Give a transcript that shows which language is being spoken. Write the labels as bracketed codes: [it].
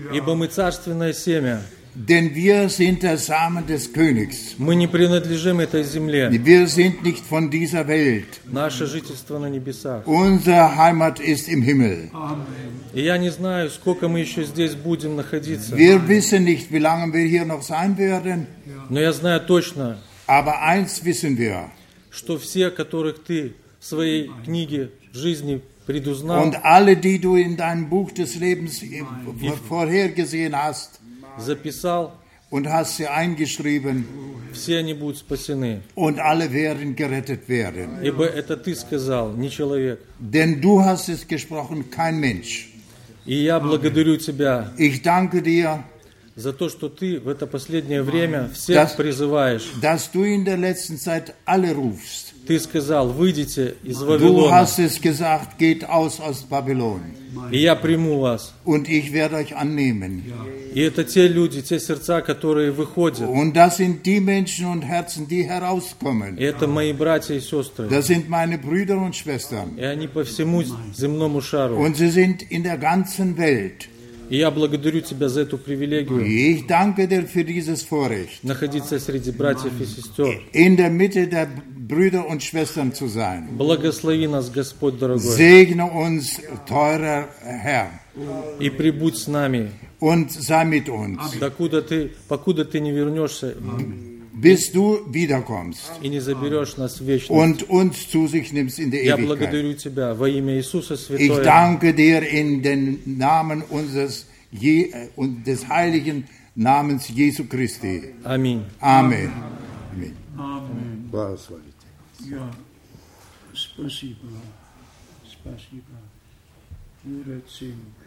[ru] Ибо мы царственное семя. [de] Denn wir sind der Samen des Königs. [ru] Мы не принадлежим этой земле. [de] Wir sind nicht von dieser Welt. [ru] Наше жительство на небесах. [de] Unsere Heimat ist im Himmel. [ru] И я не знаю, сколько мы еще здесь будем находиться. [de] Wir wissen nicht, wie lange wir hier noch sein werden. [ru] Но я знаю точно. [de] Aber eins wissen wir. [ru] Что все, которых ты в своей книге жизни предузнал, [de] und alle, die du in deinem Buch des Lebens vorhergesehen hast, [ru] записал, [de] und hast sie eingeschrieben, [ru] все они будут спасены, [de] und alle werden gerettet werden. [ru] Ибо это ты сказал, не человек. [de] Denn du hast es gesprochen, kein Mensch. [ru] И я благодарю тебя. [de] Ich danke dir, [ru] за то, что ты в это последнее время всех призываешь. [de] Dass du in der letzten Zeit alle rufst. [ru] Ты сказал, выйдите из Вавилона. [de] Du hast es gesagt, geht aus Babylon. [ru] И я приму вас. [de] Und ich werde euch annehmen. [ru] И это те люди, те сердца, которые выходят. [de] Und das sind die Menschen und Herzen, die herauskommen. [ru] И это мои братья и сестры. [de] Das sind meine Brüder und Schwestern. [ru] И они по всему земному шару. [de] Und sie sind in der ganzen Welt. [ru] И я благодарю тебя за эту привилегию. [de] Ich danke dir für dieses Vorrecht. [ru] Находиться среди братьев и сестер. [de] In der Mitte der Brüder und Schwestern zu sein. [ru] Благослови нас, Господь дорогой. [de] Segne uns, teurer Herr. [ru] И прибудь с нами. [de] Und sei mit uns. [ru] Покуда ты не вернешься. [de] Bis du wiederkommst. [ru] И не заберешь нас в вечность. [de] Und uns zu sich nimmst in der Ewigkeit. [ru] Я благодарю тебя во имя Иисуса Святого. [de] Ich danke dir in den Namen unseres des heiligen namens Jesu Christi. Amen. Amen. Amen. Amen. [ru] Благословите. Ja. Спасибо. Спасибо. Уречим.